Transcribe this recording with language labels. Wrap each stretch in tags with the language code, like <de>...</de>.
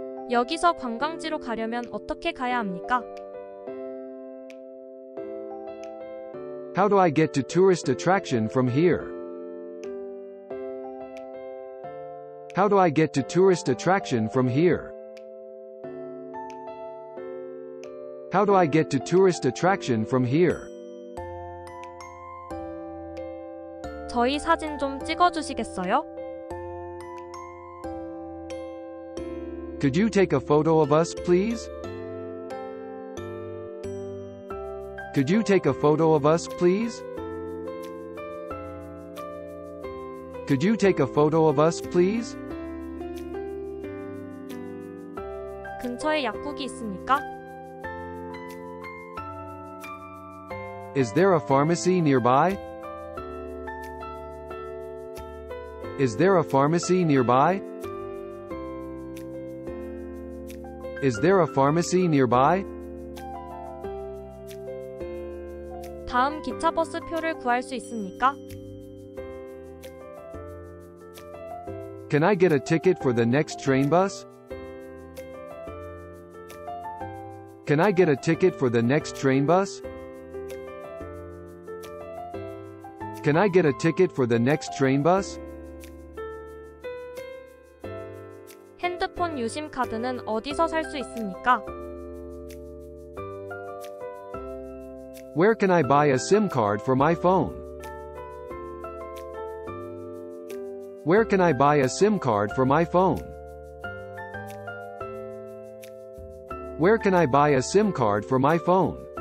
<ko>여기서 관광지로 가려면 어떻게 가야 합니까?</ko> <en>How do I get to tourist attraction from here? How do I get to tourist attraction from here? How do I get to tourist attraction from here?</en> <ko>저희 사진 좀 찍어주시겠어요?</ko> <en>Could you take a photo of us, please? Could you take a photo of us, please? Could you take a photo of us, please?</en> <ko>근처에 약국이 있습니까?</ko> <en>Is there a pharmacy nearby? Is there a pharmacy nearby? Is there a pharmacy nearby?</en> <ko>다음 기차 버스 표를 구할 수 있습니까?</ko> <en>Can I get a ticket for the next train bus? Can I get a ticket for the next train bus? Can I get a ticket for the next train bus?</en> <ko>핸드폰 유심 카드는 어디서 살 수 있습니까?</ko> <en>Where can I buy a SIM card for my phone? Where can I buy a SIM card for my phone? Where can I buy a SIM card for my phone?</en>